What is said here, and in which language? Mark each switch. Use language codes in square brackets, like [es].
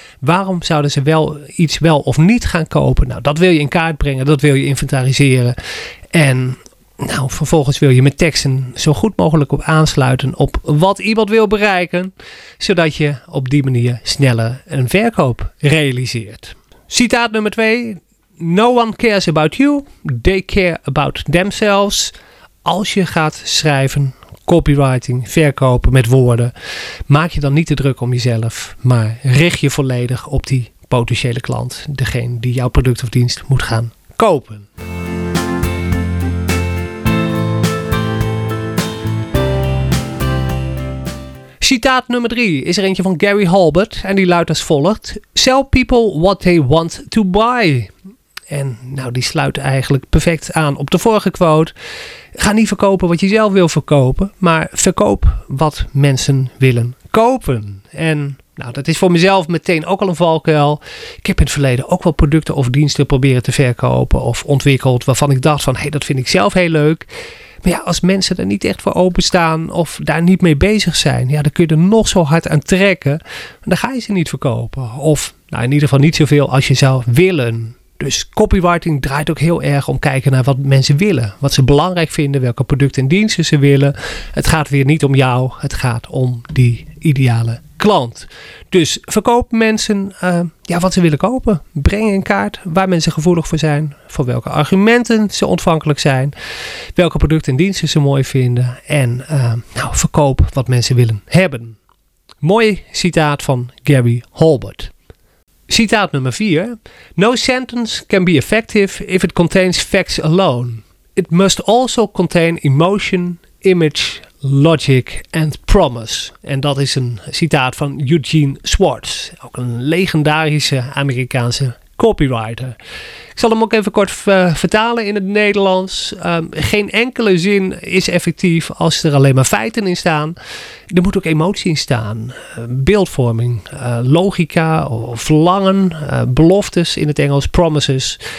[nl] Waarom zouden ze wel iets wel of niet gaan kopen? Nou, dat wil je in kaart brengen. Dat wil je inventariseren. En nou, vervolgens wil je met teksten zo goed mogelijk op aansluiten op wat iemand wil bereiken. Zodat je op die manier sneller een verkoop realiseert. Citaat nummer 2. [en] No one cares about you. They care about themselves. [nl] Als je gaat schrijven, copywriting, verkopen met woorden, maak je dan niet te druk om jezelf, maar richt je volledig op die potentiële klant, degene die jouw product of dienst moet gaan kopen. Citaat nummer 3 is er eentje van Gary Halbert en die luidt als volgt. [en] Sell people what they want to buy. [nl] En nou, die sluit eigenlijk perfect aan op de vorige quote. Ga niet verkopen wat je zelf wil verkopen, maar verkoop wat mensen willen kopen. En nou, dat is voor mezelf meteen ook al een valkuil. Ik heb in het verleden ook wel producten of diensten proberen te verkopen of ontwikkeld, waarvan ik dacht van, hé, dat vind ik zelf heel leuk. Maar ja, als mensen er niet echt voor openstaan of daar niet mee bezig zijn, ja, dan kun je er nog zo hard aan trekken. Maar dan ga je ze niet verkopen. Of nou, in ieder geval niet zoveel als je zou willen. Dus copywriting draait ook heel erg om kijken naar wat mensen willen. Wat ze belangrijk vinden, welke producten en diensten ze willen. Het gaat weer niet om jou, het gaat om die ideale klant. Dus verkoop mensen wat ze willen kopen. Breng in kaart waar mensen gevoelig voor zijn. Voor welke argumenten ze ontvankelijk zijn. Welke producten en diensten ze mooi vinden. En verkoop wat mensen willen hebben. Mooi citaat van Gary Halbert. Citaat nummer 4. [en] No sentence can be effective if it contains facts alone. It must also contain emotion, image, logic and promise. [nl] En dat is een citaat van Eugene Schwartz. Ook een legendarische Amerikaanse copywriter. Ik zal hem ook even kort vertalen in het Nederlands. Geen enkele zin is effectief als er alleen maar feiten in staan. Er moet ook emotie in staan. Beeldvorming, logica, verlangen, beloftes in het Engels, promises.